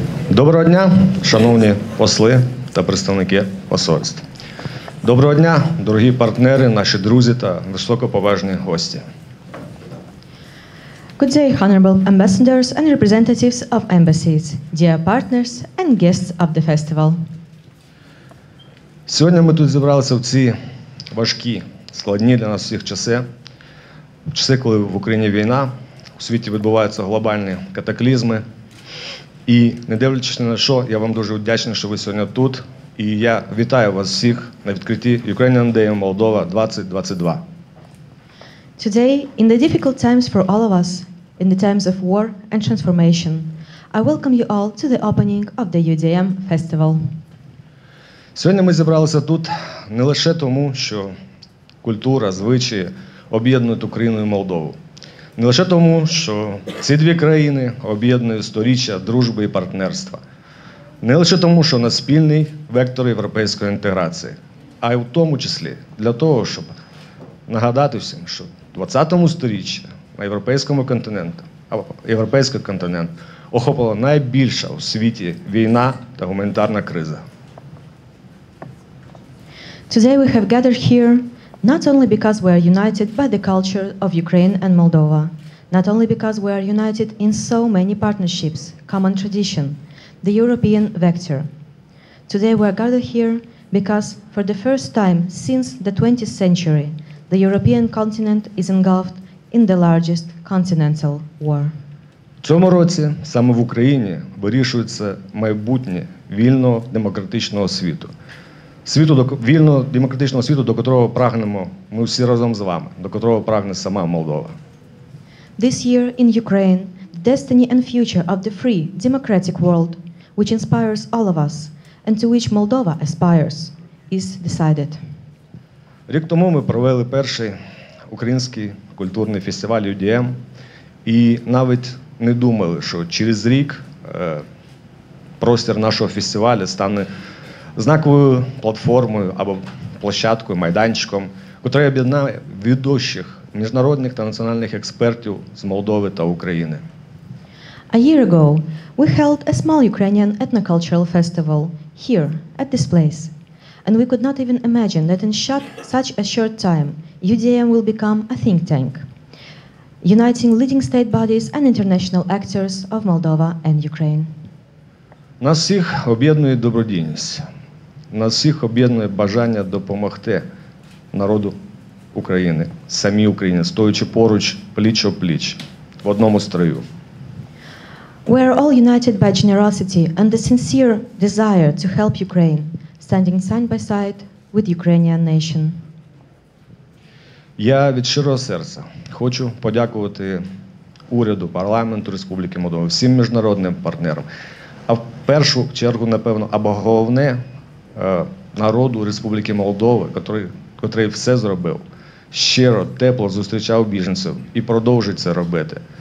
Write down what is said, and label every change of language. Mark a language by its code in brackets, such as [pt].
[uk] Доброго дня, шановні посли та представники посольств. Доброго дня, дорогі партнери, наші друзі та високоповажні гості. [en] Good day, honorable ambassadors and representatives of embassies, dear partners and guests of the festival. [uk] Сьогодні ми тут зібралися в ці важкі, складні для нас всіх часи. В часи, коли в Україні війна, у світі відбуваються глобальні катаклізми. І не дивлячись ні на що, я вам дуже вдячний, що ви сьогодні тут. І я вітаю вас всіх на відкритті Ukrainian Day in Moldova 2022. [en] Today, in the difficult times for all of us, in the times of war and transformation, I welcome you all to the opening of the UDM festival. [uk] Сьогодні ми зібралися тут не лише тому, що культура, звичаї об'єднують Україну і Молдову. Не лише тому, що ці дві країни об'єднують сторіччя дружби і партнерства. Не лише тому, що у нас спільний вектор європейської інтеграції. А й в тому числі для того, щоб нагадати всім, що в 20-му сторіччі на європейському континенті, або європейський континент, охопила найбільша у світі війна та гуманітарна криза. [en] Today we have gathered here not only because we are united by the culture of Ukraine and Moldova, not only because we are united in so many partnerships, common tradition, the European vector. Today we are gathered here because for the first time since the 20th century, the European continent is engulfed in the largest continental war. [uk] В цьому році саме в Україні вирішується майбутнє вільного демократичного світу. Світу до вільного демократичного світу, до котрого прагнемо ми всі разом з вами, до котрого прагне сама Молдова. [en] This year in Ukraine, the destiny and future of the free, democratic world, which inspires all of us and to which Moldova aspires, is decided. [uk] Рік тому ми провели перший український культурний фестиваль UDM і навіть не думали, що через рік простір нашого фестивалю стане знаковою платформою або площадкою, майданчиком, котра об'єднає відомих міжнародних та національних експертів з Молдови та України. [en] A year ago, we held a small Ukrainian ethnocultural festival here, at this place. And we could not even imagine that in such a short time, UDM will become a think tank, uniting leading state bodies and international actors of Moldova and Ukraine. [uk] Нас всіх об'єднує добродійність. Нас всіх об'єднує бажання допомогти народу України, самій Україні, стоячи поруч, пліч-о-пліч, в одному строю. [en] We are all united by generosity and the sincere desire to help Ukraine, standing side by side with Ukrainian nation. [uk] Я від щирого серця хочу подякувати уряду, парламенту Республіки Молдова, всім міжнародним партнерам. А в першу чергу, напевно, або головне – народу Республіки Молдови, котрий все зробив, щиро, тепло зустрічав біженців і продовжить це робити,